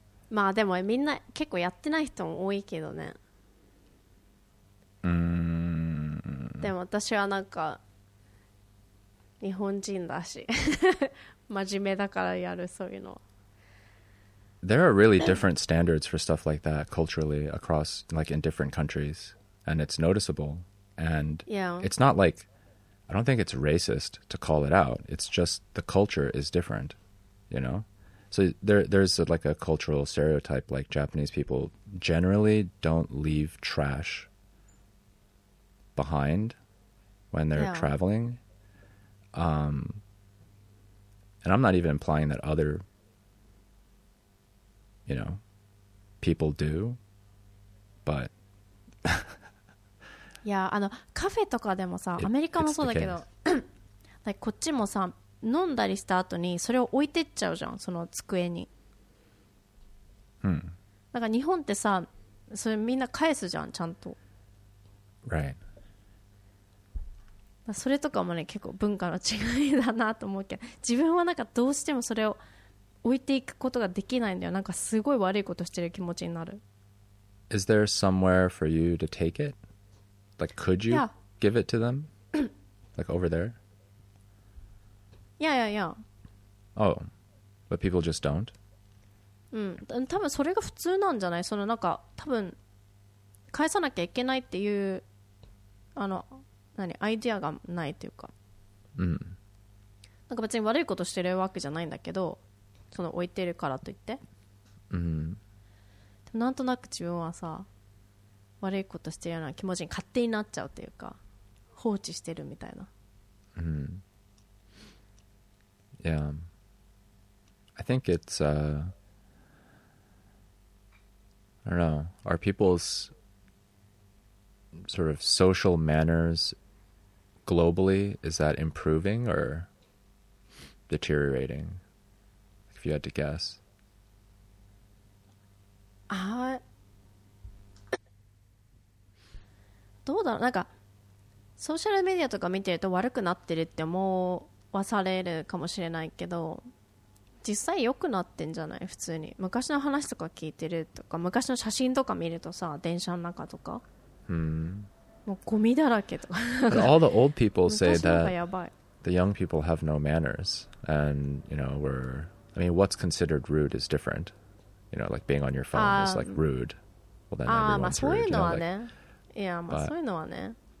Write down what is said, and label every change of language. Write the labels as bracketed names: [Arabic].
[Japanese] まあでもみんな結構やってない人も多いけどね。でも私はなんか日本人だし真面目だからやるそういうの。 [English] There are really different standards for stuff like that culturally across, like, in different countries, and it's noticeable. And it's not like, I don't think it's racist to call it out. It's just the culture is different, you know? So there's a, like, a cultural stereotype, like, Japanese people generally don't leave trash behind when they're traveling. And I'm not even implying that other, you know, people do, but... [Japanese] いや、あのカフェとかでもさ、アメリカもそうだけど、like, こっちもさ、飲んだりした後にそれを置いてっちゃうじゃん、その机に。うん。なんか日本ってさ、それみんな返すじゃん、ちゃんと。 [English] Right. [Japanese] それとかもね、結構文化の違いだなと思うけど、自分はなんかどうしてもそれを置いていくことができないんだよ。なんかすごい悪いことしてる気持ちになる。 [English] Is there somewhere for you to take it? Like, could you give it to them? Like, over there? Yeah. Oh, but people just don't? [Japanese] うん、多分それが普通なんじゃない?そのなんか、多分返さなきゃいけないっていう、あの、何、アイデアがないというか。うん。なんか別に悪いことしてるわけじゃないんだけど、その置いてるからといって、うん、でもなんとなく自分はさ悪いことしてるような気持ちに勝手になっちゃうっていうか放置してるみたいな、 [English] うん、Yeah I think it's I don't know Are people's sort of social mannersglobally, is that improving or deteriorating? If you had to guess. [Japanese] どうだろう、なんかソーシャルメディアとか見てると悪くなってるって思わされるかもしれないけど、実際良くなってんじゃない、普通に。昔の話とか聞いてるとか、昔の写真とか見るとさ、電車の中とか。もうゴミだらけとか。 [English] But all the old people say that the young people have no manners. And, you know, we're... I mean, what's considered rude is different. You know, like being on your phone is like rude. Well, then everyone's rude. You know, like, yeah, [Japanese] まあそういうのはね。